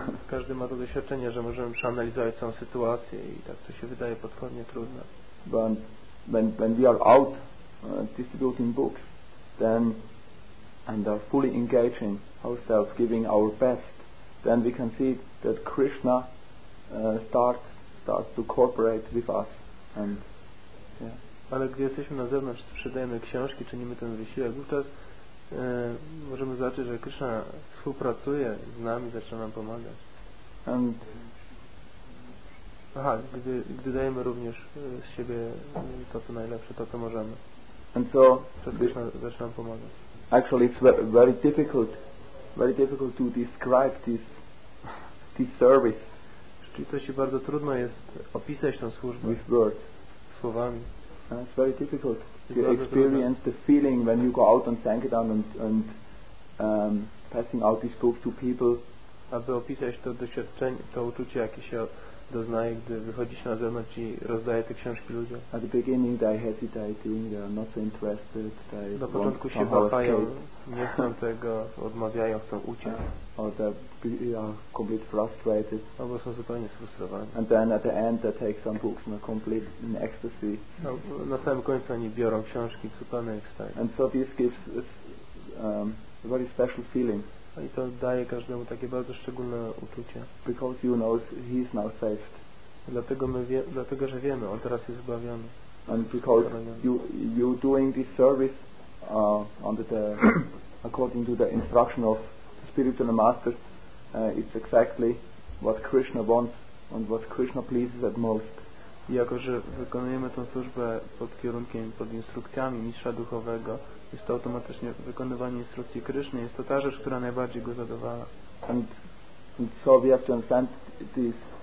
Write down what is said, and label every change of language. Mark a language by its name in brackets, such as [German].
[Polish] Każdy ma to doświadczenie, że możemy przeanalizować całą sytuację i tak to się wydaje potwornie trudne. [English] But when we are out distributing books, then and are fully engaging ourselves, giving our best, then we can see that Krishna starts to cooperate with us. And yeah. [Polish] Ale gdy jesteśmy na zewnątrz, sprzedajemy książki, czynimy ten wysiłek, wówczas możemy zobaczyć, że Krishna współpracuje z nami, zaczyna nam pomagać. [English] And [Polish] aha, gdy dajemy również z siebie to, co najlepsze, to, co możemy. [English] And so [Polish] Krishna zaczyna nam pomagać. [English] Actually, it's very difficult to describe this service. [Polish] Rzeczywiście bardzo trudno jest opisać tę służbę. [English] With words. [Polish] Słowami. [English] And it's very difficult to experience the feeling when you go out on Sankirtan and passing out these books to people. [Polish] Aby opisać to doświadczenie, to uczucie, jakie się doznaje, gdy wychodzi się na zewnątrz i rozdaje te książki ludziom. [English] At the beginning they hesitating, they are not so interested, they [Polish] na początku się wahają, nie chcą tego, odmawiają, chcą uciec. [English] Or they are completely frustrated. [Polish] Albo są zupełnie sfrustrowani. [English] And then at the end they take some books and are complete in ecstasy. [Polish] Na samym końcu oni biorą książki w zupełnej ekstazie. [English] And so this gives a very special feeling. [Polish] I to daje każdemu takie bardzo szczególne uczucie. [English] Because you know he is now saved. [Polish] Dlatego że wiemy, on teraz jest zbawiony. [English] And because you doing this service under the according to the instruction of the spiritual master, it's exactly what Krishna wants and what Krishna pleases at most. [Polish] I jako że wykonujemy tę służbę pod kierunkiem, pod instrukcjami mistrza duchowego, jest to automatycznie wykonywanie instrukcji Kryszny, jest to ta rzecz, która najbardziej go zadowala. [English] And so we have to understand this.